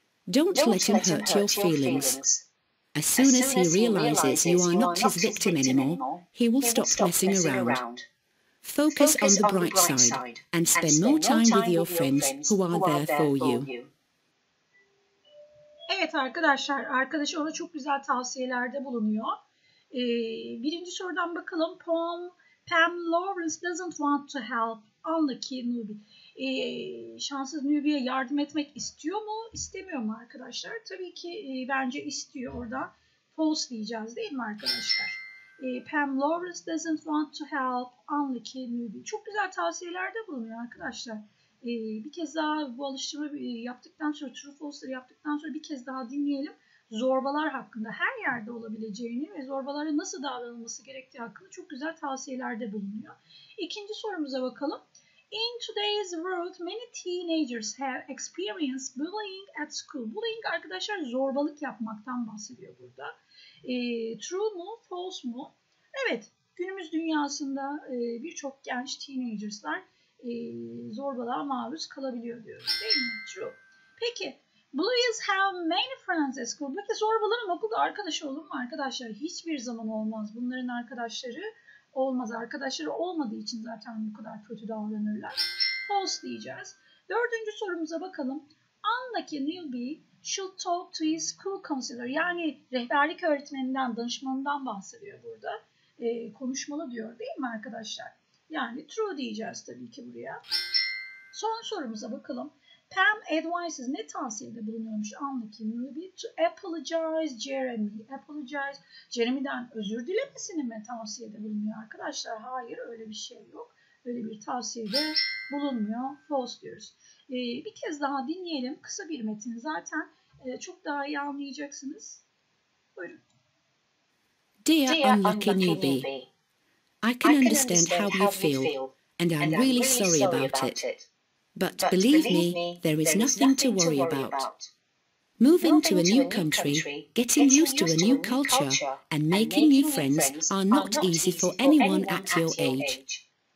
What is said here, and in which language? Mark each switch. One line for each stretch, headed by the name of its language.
English: Don't let him hurt your feelings. As soon as he realizes you are not his victim anymore, he will stop messing around. Focus on the bright side and spend more time with your friends who are there for you.
Turkish: Evet arkadaşlar, arkadaş ona çok güzel tavsiyelerde bulunuyor. Birinci sorudan bakalım.
English: Pam Lawrence doesn't want to help. Unlucky newbie.
Turkish: Şanssız newbie'ye yardım etmek istiyor mu? İstemiyor mu arkadaşlar? Tabii ki bence istiyor orada. False diyeceğiz değil mi arkadaşlar?
English: Pam Lawrence doesn't want to help. Unlucky newbie.
Turkish: Çok güzel tavsiyelerde bulunuyor arkadaşlar. Bir kez daha bu alıştırma yaptıktan sonra, true false'ları yaptıktan sonra bir kez daha dinleyelim. Zorbalar hakkında her yerde olabileceğini ve zorbalara nasıl davranılması gerektiği hakkında çok güzel tavsiyelerde bulunuyor. İkinci sorumuza bakalım.
English: In today's world, many teenagers have experienced bullying at school.
Turkish: Bullying arkadaşlar zorbalık yapmaktan bahsediyor burada. True mu, false mu? Evet, günümüz dünyasında birçok genç teenagerslar zorbalığa maruz kalabiliyor diyoruz. Değil mi? True.
English: Peki, bullies have many friends at school.
Turkish: Peki zorbaların okulda arkadaşı olur mu arkadaşlar? Hiçbir zaman olmaz. Bunların arkadaşları olmaz. Arkadaşları olmadığı için zaten bu kadar kötü davranırlar. False diyeceğiz. Dördüncü sorumuza bakalım.
English: Unlucky newbie should talk to his school counselor.
Turkish: Yani rehberlik öğretmeninden, danışmanından bahsediyor burada. Konuşmalı diyor değil mi arkadaşlar? Yani true diyeceğiz tabii ki buraya. Son sorumuza bakalım.
English: Pam advises,
Turkish: ne tavsiyede bulunuyormuş anlaki newbie,
English: to apologize Jeremy.
Turkish: Apologize, Jeremy'den özür dilemesini mi tavsiyede bulunuyor arkadaşlar? Hayır, öyle bir şey yok. Öyle bir tavsiyede bulunmuyor. False diyoruz. Bir kez daha dinleyelim. Kısa bir metin zaten. Çok daha iyi anlayacaksınız. Buyurun.
English: Dear unlucky newbie, I can understand how you feel, and I'm really sorry about it. But believe me, there is nothing to worry about. Moving to a new country, getting used to a new culture, and making new friends are not easy for anyone at your age.